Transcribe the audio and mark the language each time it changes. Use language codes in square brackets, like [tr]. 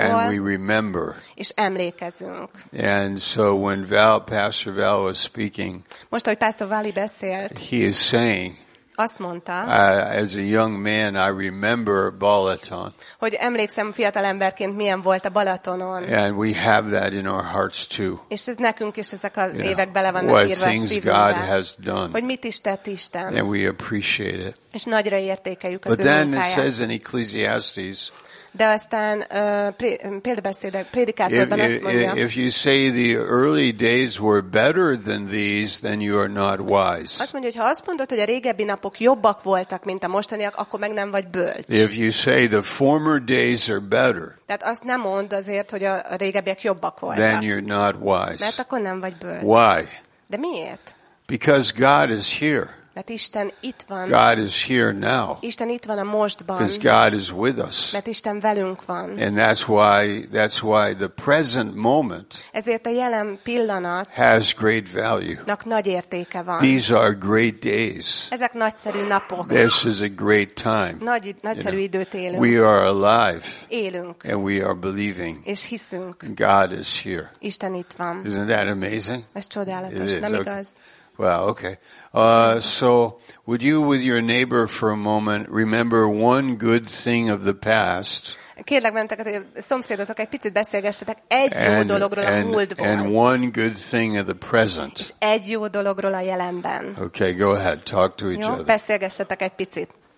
[en] And we remember. [hu] És emlékezünk. [en] And so when Pastor Val was speaking, [hu] most ahogy Pastor Vali beszélt, [en] he is saying, [hu] azt mondta, [en] as a young man, I remember Balaton. [hu] Hogy emlékszem fiatal emberként milyen volt a Balatonon. [en] And we have that in our hearts too. [hu] És ez nekünk is ezek az évek bele vannak írva a szívünkbe. [en] What things God has done. [hu] Hogy mit is tett Isten. [en] And we appreciate it. [hu] És nagyra értékeljük az ő munkáját. [en] But then it says in Ecclesiastes. [hu] De aztán példabeszédek, prédikátorban azt mondja. [en] If you say the early days were better than these, then you are not wise. [hu] Azt mondja, hogy ha azt mondod, hogy a régebbi napok jobbak voltak, mint a mostaniak, akkor meg nem vagy bölcs. [en] If you say the former days are better. [hu] Tehát azt nem mond azért, hogy a régebbiek jobbak voltak. [en] Then you're not wise. [hu] Mert akkor nem vagy bölcs. [en] Why? [hu] De miért? [en] Because God is here. [hu] Mert Isten itt van. [en] God is here now. [hu] Isten itt van a mostban. [en] Because God is with us. [hu] Mert Isten velünk van. [en] And that's why the present moment. [hu] Ezért a jelen pillanat. [en] Has great value. [hu] Nak nagy értéke van. [en] These are great days. [hu] Ezek nagyszerű napok. [en] This is a great time. [hu] Nagyszerű időt élünk. [en] We are alive. [hu] Élünk. [en] And we are believing. [hu] És hiszünk. [en] God is here. [hu] Isten itt van. [en] Isn't that amazing? [hu] Ez csodálatos, nem igaz? [en] Well, okay. So would you with your neighbor for a moment remember one good thing of the past? [hu] Kérlek benneteket, hogy szomszédotok egy picit beszélgessetek egy jó dologról a múltból. [en] And one good thing of the present. [hu] És egy jó dologról a jelenben. [en] Okay, go ahead. Talk to each other. [hu] Beszélgessetek egy picit.